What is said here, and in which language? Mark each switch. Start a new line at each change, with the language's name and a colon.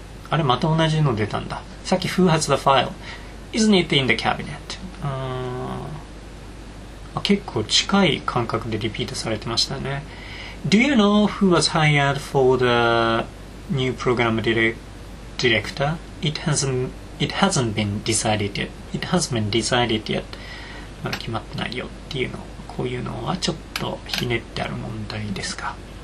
Japanese: あれまた同じの出たんだ。
English: さっき Who has the file? Isn't it in the cabinet?
Japanese: あ、結構近い感覚でリピートされてましたね。
English: Do you know who was hired for the new program director? It hasn't been decided yet.
Japanese: まだ決まってないよっていうの。こういうのはちょっとひねってある問題ですか。